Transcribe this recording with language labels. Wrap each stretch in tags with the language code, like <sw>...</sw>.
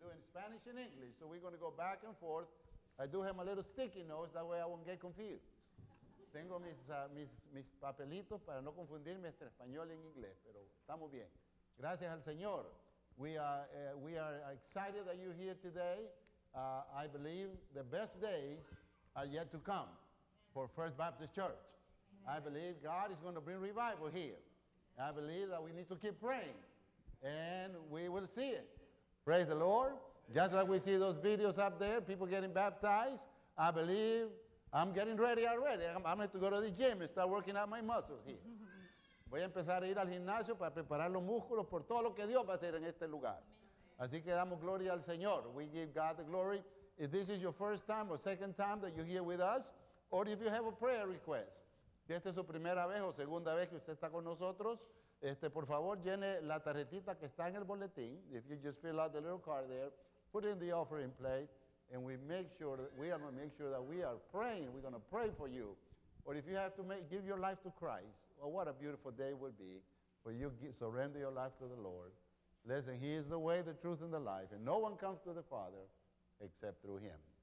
<en>Spanish and English, so we're going to go back and forth. I do have my little sticky notes, that way I won't get confused.</en> <es>Tengo mis papelitos para no confundirme entre español y inglés, pero estamos bien. Gracias al Señor.</es> <en>We are excited that you're here today. I believe the best days are yet to come for First Baptist Church. Amen. I believe God is going to bring revival here. I believe that we need to keep praying, and we will see it. Praise the Lord. Just like we see those videos up there, people getting baptized, I believe I'm getting ready already. I'm going to go to the gym and start working out my muscles here.</en> <es>Voy a empezar a ir al gimnasio para preparar los músculos por todo lo que Dios va a hacer en este lugar. Así que damos gloria al Señor.</es> <en>We give God the glory. if this is your first time or second time that you're here with us, or if you have a prayer request.</en> <es>Si esta es su primera vez o segunda vez que usted está con nosotros, por favor llene la tarjetita que está en el boletín.</es> <en>If you just fill out the little card there, put in the offering plate, and we make sure that we are going to make sure that we are praying. We're going to pray for you. Or if you have to give your life to Christ, well, what a beautiful day it would be for you to surrender your life to the Lord. Listen, He is the way, the truth, and the life, and no one comes to the Father except through Him.</en>